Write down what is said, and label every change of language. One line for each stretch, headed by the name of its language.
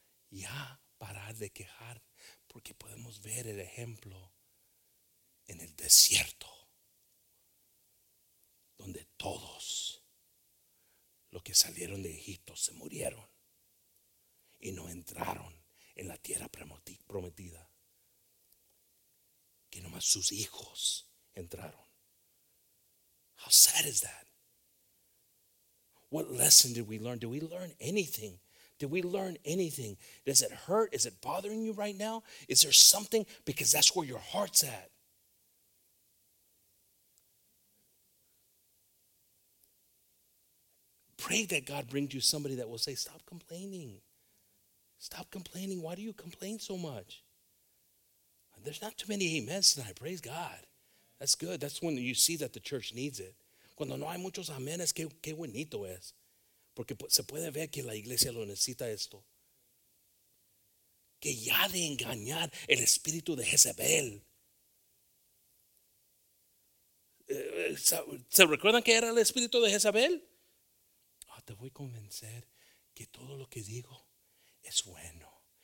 Spanish: Ya parar de quejar, porque podemos ver el ejemplo en el desierto, donde todos los que salieron de Egipto se murieron y no entraron en la tierra prometida, que nomás sus hijos entraron.
English: How sad is that? What lesson did we learn? Did we learn anything? Did we learn anything? Does it hurt? Is it bothering you right now? Is there something? Because that's where your heart's at. Pray that God brings you somebody that will say, stop complaining. Stop complaining. Why do you complain so much? There's not too many amens tonight. Praise God. That's good. That's when you see that the church needs it.
Spanish: Cuando no hay muchos amenes, qué bonito es. Porque se puede ver que la iglesia lo necesita esto. Que ya de engañar el espíritu de Jezebel. ¿Se recuerdan que era el espíritu de Jezebel? Oh, te voy a convencer que todo lo que digo es bueno.